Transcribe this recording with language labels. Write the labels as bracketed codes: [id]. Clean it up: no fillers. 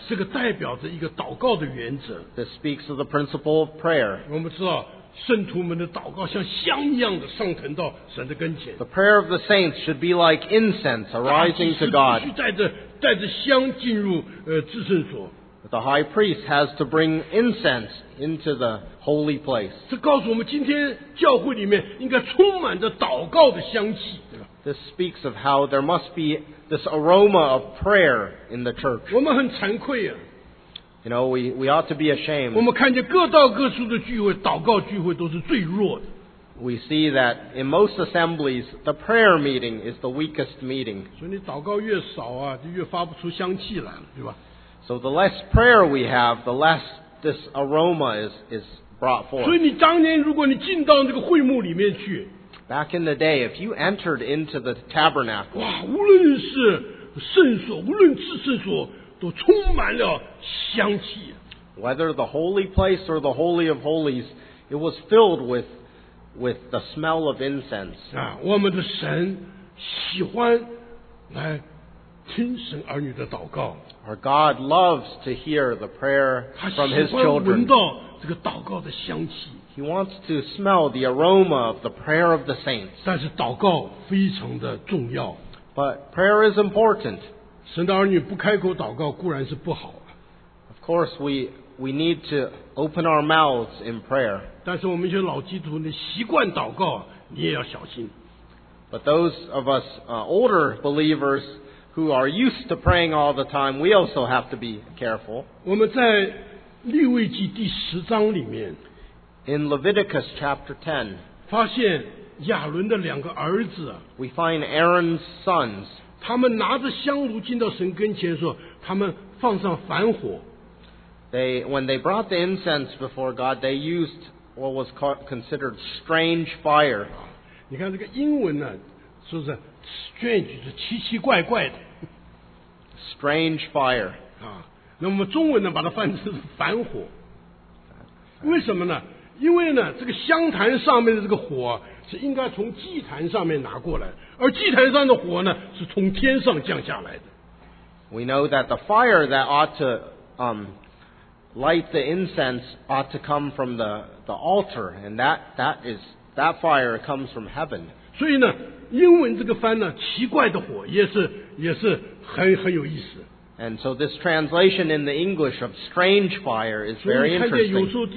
[zh] 这个代表着一个祷告的原则。 [en] This speaks of the principle of prayer. [zh] 我们知道圣徒们的祷告像香一样的上腾到神的跟前。 [en] The prayer of the saints should be like incense arising to God. [zh] 必须带着香进入至圣所。 [en] The high priest has to bring incense into the holy place. [zh] 这告诉我们今天教会里面应该充满着祷告的香气。 [en] This speaks of how there must be this aroma of prayer in the church. [zh] 我们很惭愧啊。 [en] You know, we ought to be ashamed. [zh] 我们看见各道各处的聚会，祷告聚会都是最弱的。 [en] We see that in most assemblies, the prayer meeting is the weakest meeting. [zh] 所以你祷告越少啊，就越发不出香气来了，对吧？ [en] So the less prayer we have, the less this aroma is brought forth. [zh] 所以你当年如果你进到那个会幕里面去， [en] Back in the day, if you entered into the tabernacle, [zh] 哇，无论是圣所，无论至圣所，都充满了香气。 [en] Whether the holy place or the holy of holies, it was filled with the smell of incense. [zh] 啊，我们的神喜欢来听神儿女的祷告。 [en] Our God loves to hear the prayer from His children. [zh] 他喜欢闻到这个祷告的香气。 [en] He wants to smell the aroma of the prayer of the saints. [zh] 但是祷告非常的重要。 [en] But prayer is important. [zh] 神的儿女不开口祷告固然是不好。 [en] Of course, we need to open our mouths in prayer. [zh] 但是我们一些老基督徒你习惯祷告，你也要小心。 [en] But those of us older believers. Who are used to praying all the time, we also have to be careful. [zh] 我们在利未记第十章里面， [en] In Leviticus chapter 10, [zh] 发现亚伦的两个儿子， [en] we find Aaron's sons. [zh] 他们拿着香炉进到神跟前的时候，他们放上燔火。 [en] When they brought the incense before God, they used what was considered strange fire. [zh] 你看这个英文呢，是不是 strange 是奇奇怪怪的 [en] ？Strange fire. [zh] 啊，那么中文呢，把它翻译成燔火。为什么呢？因为呢，这个香坛上面的这个火是应该从祭坛上面拿过来，而祭坛上的火呢，是从天上降下来的。 [en] We know that the fire that ought to light the incense ought to come from the altar, and that fire comes from heaven. [zh] 所以呢，英文这个翻呢，奇怪的火也是很有意思。 [en] And so this translation in the English of strange fire is very interesting.